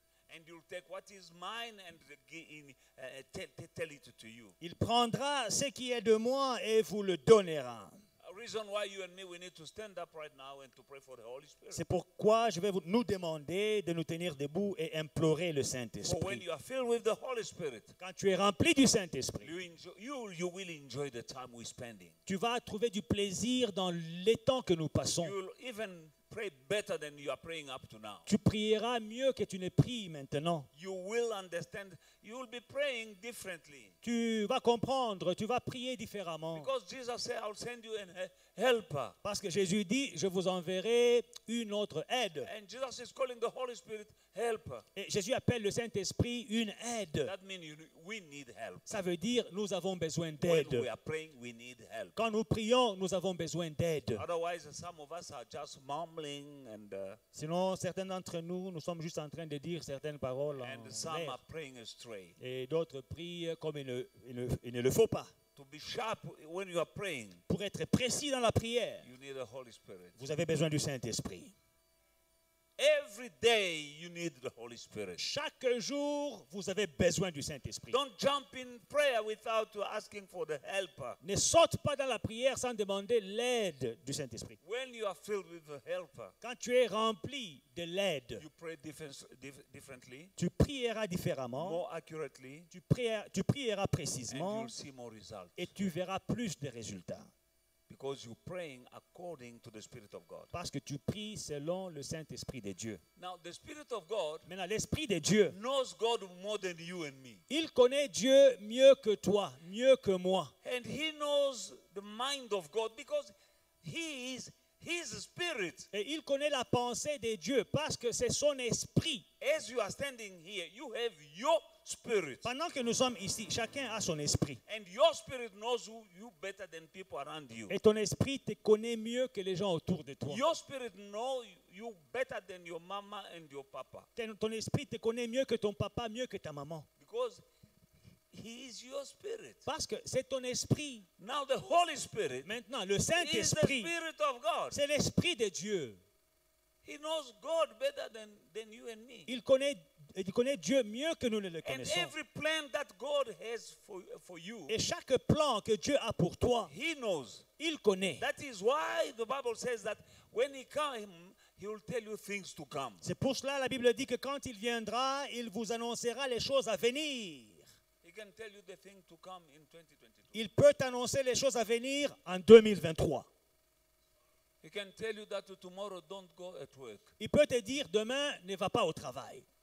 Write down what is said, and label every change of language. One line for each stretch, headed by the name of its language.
English: And you'll take what is mine and tell it to you.
French: Il prendra ce qui est de moi et vous le donnera.
English: A reason why you and me we need to stand up right now and to pray for the Holy Spirit.
French: C'est pourquoi je vais nous demander de nous tenir debout et implorer le Saint-Esprit.
English: For when you are filled with the Holy Spirit,
French: quand tu es rempli du Saint-Esprit,
English: you will enjoy the time we're spending.
French: Tu vas trouver du plaisir dans les temps que nous passons.
English: You'll even pray better than you are praying up to now.
French: Tu prieras mieux que tu ne pries maintenant.
English: You will understand. You will be praying differently.
French: Tu vas comprendre. Tu vas prier différemment.
English: Because Jesus said, "I'll send you an helper."
French: Parce que Jésus dit, je vous enverrai une autre aide.
English: And Jesus is calling the Holy Spirit helper.
French: Et Jésus appelle le Saint-Esprit une aide.
English: That means we need help.
French: Ça veut dire nous avons besoin d'aide.
English: When we are praying, we need help.
French: Quand nous prions, nous avons besoin d'aide.
English: Otherwise, some of us are just mumbling. And,
French: sinon, certains d'entre nous, nous sommes juste en train de dire certaines paroles
English: and
French: en
English: some
French: l'air.
English: Are praying astray.
French: Et d'autres prient comme il ne le faut pas.
English: To be sharp when you are praying,
French: pour être précis dans la prière,
English: you need the Holy Spirit.
French: Vous avez besoin du Saint-Esprit.
English: Every day you need the Holy Spirit.
French: Chaque jour, vous avez besoin du Saint-Esprit.
English: Don't jump in prayer without asking for the helper.
French: Ne saute pas dans la prière sans demander l'aide du Saint-Esprit.
English: When you are filled with the helper,
French: quand tu es rempli de l'aide,
English: you pray differently.
French: Tu prieras différemment.
English: More accurately.
French: Tu prieras précisément.
English: And you'll see more results.
French: Et tu verras plus de résultats.
English: Because you're praying according to the Spirit of God.
French: Parce que tu pries selon le Saint-Esprit de Dieu.
English: Now the Spirit of God,
French: maintenant l'Esprit de Dieu,
English: knows God more than you and me.
French: Il connaît Dieu mieux que toi, mieux que moi.
English: And he knows the mind of God because he is his Spirit.
French: Et il connaît la pensée de Dieu parce que c'est son Esprit.
English: As you are standing here, you have your Spirit.
French: Pendant que nous sommes ici, chacun a son esprit.
English: And your spirit knows who you better than people around you.
French: Et ton esprit te connaît mieux que les gens autour de toi.
English: Your spirit knows you better than your mama and your papa.
French: Ton esprit te connaît mieux que ton papa, mieux que ta maman.
English: Because he is your spirit.
French: Parce que c'est ton esprit.
English: Now the Holy Spirit.
French: Maintenant le Saint-Esprit.
English: Is the Spirit of God.
French: C'est l'esprit de Dieu.
English: He knows God better than you and me.
French: Il connaît Dieu mieux que nous ne le connaissons.
English: And every plan that God has for you.
French: Et chaque plan que Dieu a pour toi.
English: He knows.
French: Il connaît.
English: That is why the Bible says that when he comes, he will tell you things to come.
French: C'est pour cela la Bible dit que quand il viendra, il vous annoncera les choses à venir.
English: He can tell you the thing to come in 2022.
French: Il peut annoncer les choses à venir en 2023.
English: He can tell you that tomorrow don't go at work.
French: Il peut te dire demain ne va pas au travail.